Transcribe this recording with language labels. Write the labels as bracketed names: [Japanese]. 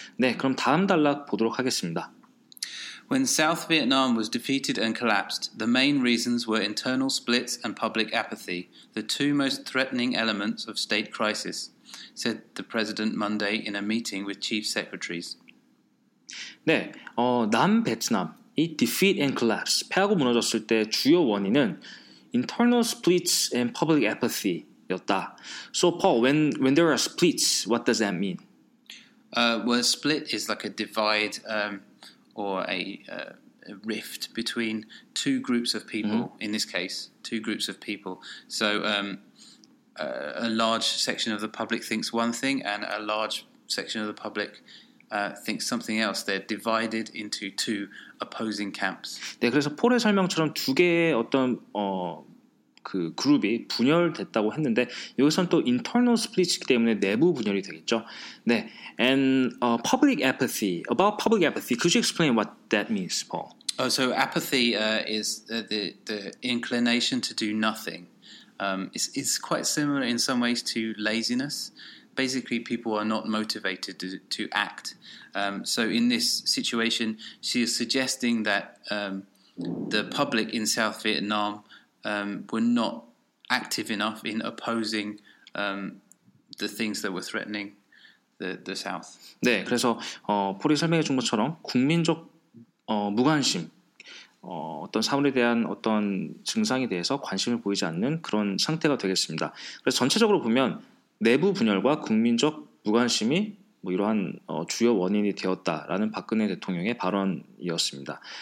[Korean] 네, 그럼 다음 단락 보도록 하겠습니다. [English] When South Vietnam was defeated and collapsed, the main reasons were internal splits and public apathy, the two most threatening elements of state crisis. said the president Monday in a meeting with chief secretaries. [Korean] 네, 남베트남, 이 [English] defeat and collapse, [Korean] 패하고 무너졌을 때 주요 원인은 [English] internal splits and public apathy. So, Paul, when there are splits, what does that mean? Well, a split is like a divide or a rift between two groups of people, mm-hmm. in this case, two groups of people. So a large section of the public thinks one thing and a large section of the public thinks something else. They're divided into two opposing camps. [Korean] 네, 그래서 폴의 설명처럼 두 개의 어떤... 그 그룹이 분열됐다고 했는데 여기선 또 [English] internal split [Korean] 이기 때문에 내부 분열이 되겠죠. [English] 네, and public apathy. About public apathy, could you explain what that means, Paul? Oh, so apathy is the inclination to do nothing. It's quite similar in some ways to laziness. Basically, people are not motivated to act. So in this situation, she is suggesting that the public in South Vietnam. Were not active enough in opposing the things that were threatening the South. [Korean] 네, 그래서 폴이 설명해 준 것처럼 국민적 무관심, 어떤 사물에 대한 어떤 증상에 대해서 관심을 보이지 않는 그런 상태가 되겠습니다. 그래서 전체적으로 보면 내부 분열과 국민적 무관심이 뭐 이러한 주요 원인이 되었다라는 박근혜 대통령의 발언이었습니다.